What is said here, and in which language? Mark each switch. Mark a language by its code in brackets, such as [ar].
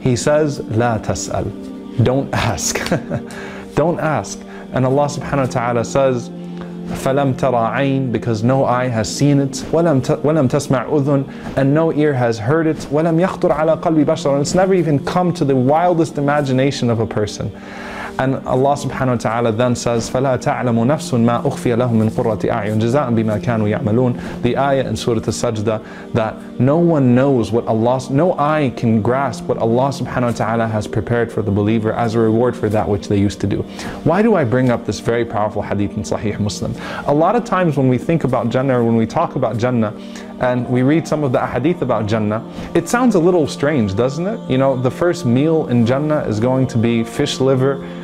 [en] He says, [ar] "لَا تَسْأَلْ." [en] Don't ask. Don't ask. And Allah subhanahu wa ta'ala says, [ar] "فَلَمْ تَرَى عَيْنٍ," [en] because no eye has seen it, [ar] وَلَمْ تَسْمَعْ أُذُنٍ, [en] and no ear has heard it, [ar] وَلَمْ يَخْطُرْ عَلَى قَلْبِ بَشَرٍ, [en] it's never even come to the wildest imagination of a person. And Allah subhanahu wa ta'ala then says, [ar] "فَلَا تَعْلَمُ نَفْسٌ مَا أُخْفِيَ لَهُمْ مِنْ قُرَّةِ أَعْيُنٍ جَزَاءً بِمَا كَانُوا يَعْمَلُونَ. [en] The ayah in Surah Al-Sajdah, that no one knows what Allah, no eye can grasp what Allah subhanahu wa ta'ala has prepared for the believer as a reward for that which they used to do. Why do I bring up this very powerful hadith in Sahih Muslim? A lot of times when we think about Jannah, or when we talk about Jannah, and we read some of the ahadith about Jannah, it sounds a little strange, doesn't it? You know, the first meal in Jannah is going to be fish liver,